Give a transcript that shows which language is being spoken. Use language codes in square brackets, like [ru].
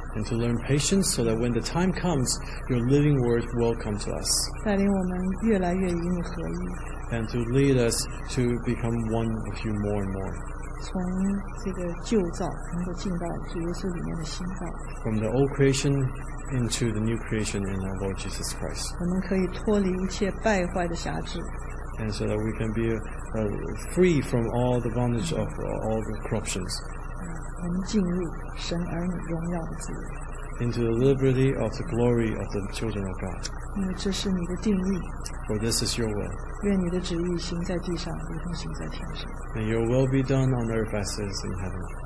[en] And to learn patience so that when the time comes, your living word will come to us. [zh] 带领我们越来越与你合一。 [en] And to lead us to become one with you more and more. [zh] 从这个旧造能够进到主耶稣里面的新造。 [en] From the old creation into the new creation in our Lord Jesus Christ. [zh] 我们可以脱离一切败坏的辖制。 [en] And so that we can be free from all the bondage of all the corruptions. [zh] 我们进入神儿女荣耀的自由。 [en] Into the liberty of the glory of the children of God. [zh] 因为这是你的定义。 [en] For this is your will. [zh] 愿你的旨意行在地上，如同行在天上。 [en] May your will be done on earth as it is in heaven.